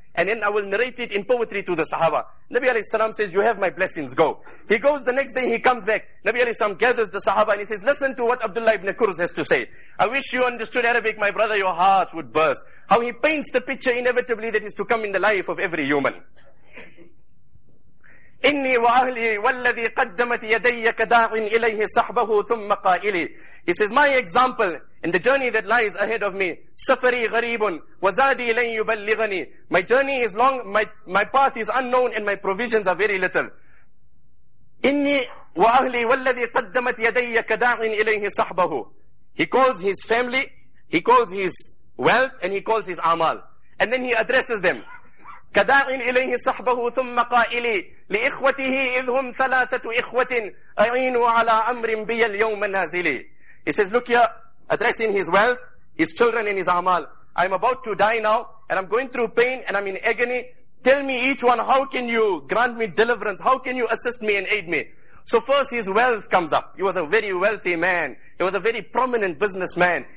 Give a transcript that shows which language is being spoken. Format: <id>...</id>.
<en>And then I will narrate it in poetry to the sahaba. Nabi alayhi salam says, you have my blessings, go. He goes the next day, he comes back. Nabi alayhi salam gathers the sahaba and he says, listen to what Abdullah ibn Kurz has to say. I wish you understood Arabic, my brother, your heart would burst. How he paints the picture inevitably that is to come in the life of every human.</en> <ar>إني وأهلي والذي قدمت يدي كداع إليه صحبه ثم قائلي.</ar> <en>He says, my example in the journey that lies ahead of me,</en> <ar>سفري غريب وزادي لن يبلغني.</ar> <en>My journey is long, my path is unknown, and my provisions are very little.</en> <ar>إني وأهلي والذي قدمت يدي كداع إليه صحبه.</ar> <en>He calls his family, he calls his wealth, and he calls his amal, and then he addresses them.</en> <ar>كداع إليه صحبه ثم قائلي لإخوته إذ هم ثلاثة إخوة أعينوا على أمر بي اليوم نازلي.</ar> <en>He says, look here, addressing his wealth, his children and his amal. I'm about to die now and I'm going through pain and I'm in agony. Tell me each one, how can you grant me deliverance? How can you assist me and aid me? So first his wealth comes up. He was a very wealthy man. He was a very prominent businessman.</en>